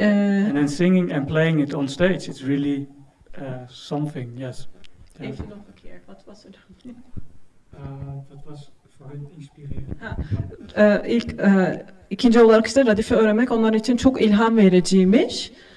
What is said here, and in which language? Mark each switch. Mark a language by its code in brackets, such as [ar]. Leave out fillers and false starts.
[en] And then singing and playing it on stage, it's really something, yes. [nl] Even nog een keer, wat was er dan? Dat was voor hun inspirerend. [tr] İlk... İkinci olarak işte radifi öğrenmek onlar için çok ilham vericiymiş.